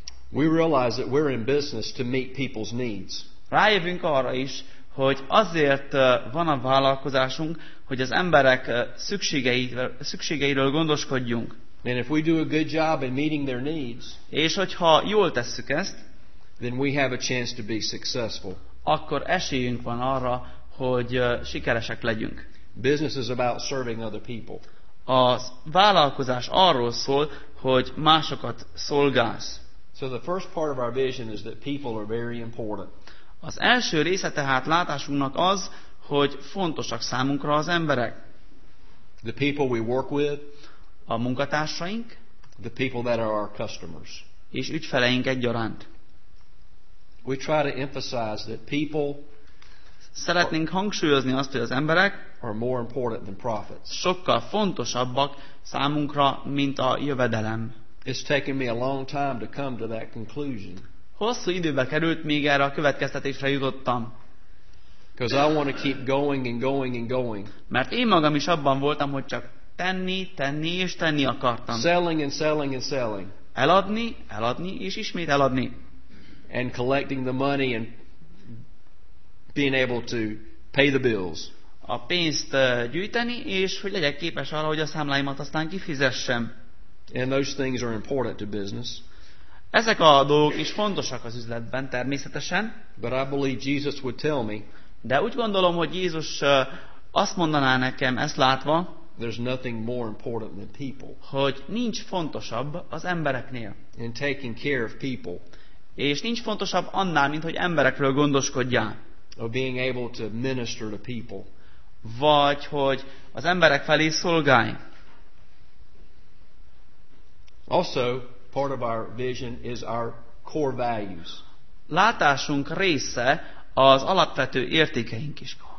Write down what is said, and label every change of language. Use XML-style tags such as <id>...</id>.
<en>We realize that we're in business to meet people's needs.</en> <hu>Rájövünk arra is, hogy azért van a vállalkozásunk, hogy az emberek szükségeiről gondoskodjunk.</hu> <en>And if we do a good job in meeting their needs,</en> <hu>és hogyha jól tesszük ezt,</hu> <en>then we have a chance to be successful.</en> <hu>Akkor esélyünk van arra, hogy sikeresek legyünk.</hu> <en>Business is about serving other people.</en> <hu>A vállalkozás arról szól, hogy másokat szolgálsz.</hu> <en>So the first part of our vision is that people are very important.</en> <hu>Az első része tehát látásunknak az, hogy fontosak számunkra az emberek.</hu> <en>The people we work with,</en> <hu>a munkatársaink,</hu> <en>the people that are our customers,</en> <hu>és ügyfeleink egyaránt.</hu> <en>We try to emphasize that people,</en> <hu>szeretnénk hangsúlyozni azt, hogy az emberek</hu> <en>are more important than profits.</en> <hu>Sokkal fontosabbak számunkra, mint a jövedelem.</hu> <en>It's taken me a long time to come to that conclusion.</en> <hu>Hosszú időbe került, míg erre a következtetésre jutottam.</hu> <en>Because I want to keep going and going and going.</en> <hu>Mert én magam is abban voltam, hogy csak tenni, tenni és tenni akartam.</hu> <en>Selling and selling and selling.</en> <hu>Eladni, eladni és ismét eladni.</hu> <en>And collecting the money and being able to pay the bills.</en> <hu>A pénzt gyűjteni, és hogy legyek képes arra, hogy a számláimat aztán kifizessem.</hu> <en>And those things are important to business.</en> <hu>Ezek a dolgok is fontosak az üzletben, természetesen.</hu> <en>But I believe Jesus would tell me,</en> <hu>de úgy gondolom, hogy Jézus azt mondaná nekem, ezt látva,</hu> <en>there's nothing more important than people.</en> <hu>Hogy nincs fontosabb az embereknél.</hu> <en>In taking care of people.</en> <hu>És nincs fontosabb annál, mint hogy emberekről gondoskodjál.</hu> <en>Or being able to minister to people.</en> <hu>Vagy hogy az emberek felé szolgálj.</hu> <en>Also, part of our vision is our core values.</en> <hu>Látásunk része az alapvető értékeink is.</hu>